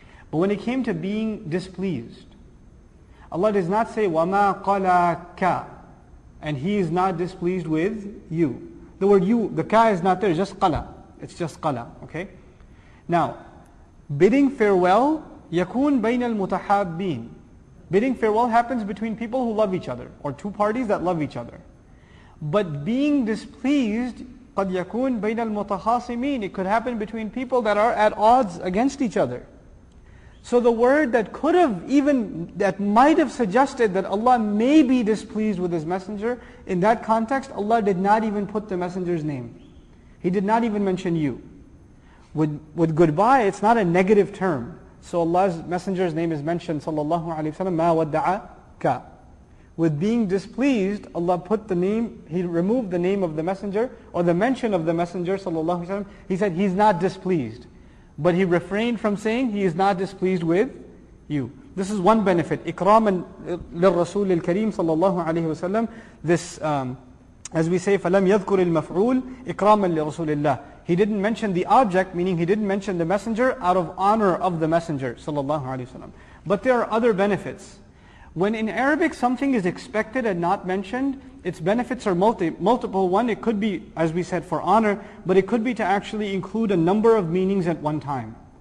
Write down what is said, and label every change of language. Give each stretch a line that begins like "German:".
English: But when it came to being displeased, Allah does not say,
Arabic: وَمَا قَلَكَ,
English: and He is not displeased with you. The word you, the ka is not there, just qala. It's just qala, okay? Now, bidding farewell,
Arabic: يَكُون بَيْنَ الْمُتَحَابِّينَ.
English: Bidding farewell happens between people who love each other, or two parties that love each other. But being displeased,
Arabic: قَدْ يَكُونْ بَيْنَ الْمُتَخَاصِمِينَ.
English: It could happen between people that are at odds against each other. So the word that could have even, that might have suggested that Allah may be displeased with His Messenger, in that context, Allah did not even put the Messenger's name. He did not even mention you. With goodbye, it's not a negative term. So Allah's Messenger's name is mentioned, sallallahu alayhi wa sallam,
Arabic: مَا وَدَّعَكَ.
English: With being displeased, Allah put the name, He removed the name of the Messenger, or the mention of the Messenger, sallallahu alayhi wa sallam. He said, He's not displeased. But He refrained from saying, He is not displeased with you. This is one benefit.
Arabic: إِكْرَامًا لِلْرَسُولِ الْكَرِيمِ صَلَّى اللَّهُ عَلَيْهِ وَسَلَّمْ.
English: This, as we say,
Arabic: فَلَمْ يَذْكُرِ الْمَفْعُولِ إِكْرَامًا لِلْرَسُولِ اللَّهِ.
English: He didn't mention the object, meaning he didn't mention the Messenger, out of honor of the Messenger, sallallahu alayhi wa sallam. But there are other benefits. When in Arabic something is expected and not mentioned, its benefits are multiple. One, it could be, as we said, for honor, but it could be to actually include a number of meanings at one time.